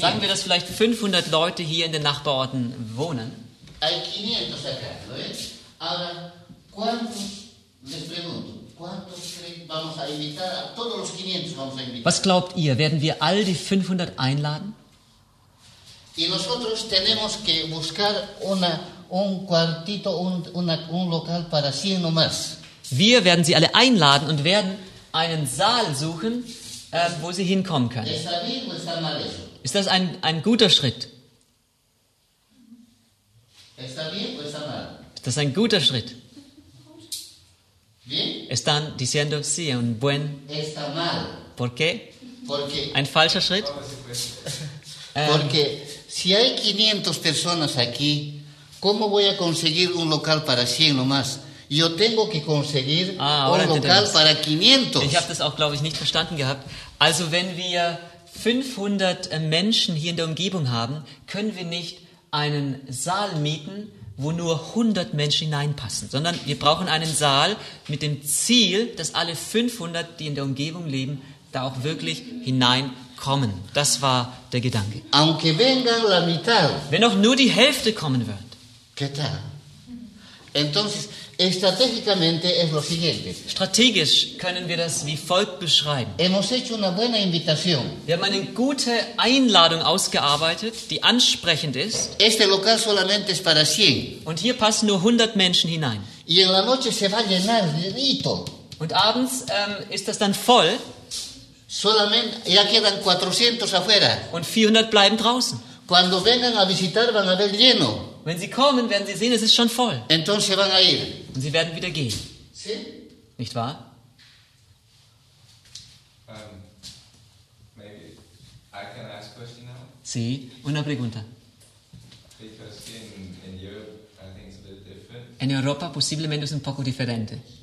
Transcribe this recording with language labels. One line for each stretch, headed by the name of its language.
German: Sagen wir, dass vielleicht 500 Leute hier in den Nachbarorten wohnen.
Spanish: Hay 500 acá, ¿lo ves? Ahora, ¿cuántos, les pregunto, cuántos creen, vamos a invitar a todos los 500 vamos a invitar?
German: Was glaubt ihr, werden wir all die 500 einladen?
Spanish: Y nosotros tenemos que buscar una, un cuartito, una, un local para 100 o más.
German: Wir werden sie alle einladen und werden einen Saal suchen, wo sie hinkommen können.
Spanish: ¿Está bien o está mal eso?
German: Ist das ein guter Schritt?
Spanish: ¿Está bien o está mal?
German: Das ist ein guter Schritt.
Spanish: Bien. Están diciendo sí, un buen. Está mal. ¿Por qué? Porque.
German: Ein falscher Schritt.
Spanish: Porque si hay 500 personas aquí, ¿cómo voy a conseguir un local para 100 nomás? Yo tengo que conseguir un local para 500.
German: Ich habe das auch, glaube ich, nicht verstanden gehabt. Also wenn wir 500 Menschen hier in der Umgebung haben, können wir nicht einen Saal mieten, wo nur 100 Menschen hineinpassen, sondern wir brauchen einen Saal mit dem Ziel, dass alle 500, die in der Umgebung leben, da auch wirklich hineinkommen. Das war der Gedanke.
Spanish: Aunque venga la mitad.
German: Wenn auch nur die Hälfte kommen wird.
Spanish: ¿Qué tal? Entonces, estratégicamente es lo siguiente.
German: Strategisch können wir das wie folgt beschreiben.
Spanish: Hemos hecho una buena invitación.
German: Wir haben eine gute Einladung ausgearbeitet, die ansprechend ist.
Spanish: Este local solamente es para 100.
German: Und hier passen nur 100 Menschen hinein.
Spanish: Y en la noche se va a llenar rito.
German: Und abends ist das dann voll.
Spanish: Solamente ya quedan 400 afuera.
German: Und 400 bleiben draußen.
Spanish: Cuando vengan a visitar van a ver lleno.
German: Wenn sie kommen, werden sie sehen, es ist schon voll.
Spanish: Entonces van a ir.
German: Und sie werden wieder gehen.
Spanish: Sí.
German: Nicht wahr?
English: Maybe I can ask a question now.
Spanish: Sí, una pregunta.
English: Because in Europe, I think it's a bit different.
Spanish: En Europa posiblemente es un poco diferente.